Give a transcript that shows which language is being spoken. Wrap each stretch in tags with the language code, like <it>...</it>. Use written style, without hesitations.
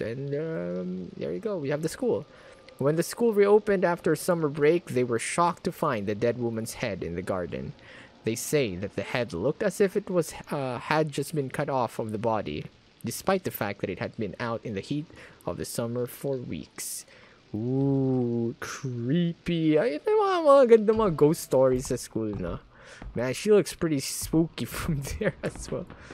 <en>And there you go, we have the school. When the school reopened after summer break, they were shocked to find the dead woman's head in the garden. They say that the head looked as if it was had just been cut off of the body, despite the fact that it had been out in the heat of the summer for weeks. Ooh, creepy.</en> <tl>Ganda mga ghost stories sa school na.</tl> <en>Man, she looks pretty spooky from there as well.</en>